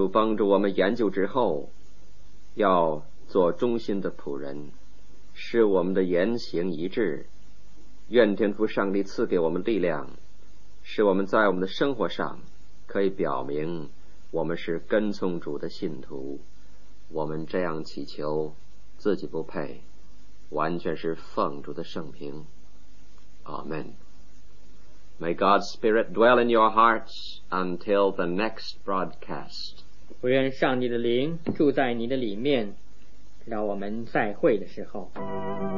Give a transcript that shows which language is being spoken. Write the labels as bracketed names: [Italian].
[Chinese] 现在请各位低头，我们做一个祷告。我们的天父上帝，我们感谢你，给我们这样宝贵的教训。主啊，我们愿我们的名字记录在生命册上。求主帮助我们研究之后 要做忠心的仆人，使我们的言行一致。愿天父上帝赐给我们力量，使我们在我们的生活上可以表明我们是跟从主的信徒。我们这样祈求，自己不配，完全是奉主的圣名。Amen. [English] May God's Spirit dwell in your hearts until the next broadcast. [Chinese] 我愿上帝的灵住在你的里面，直到我们再会的时候。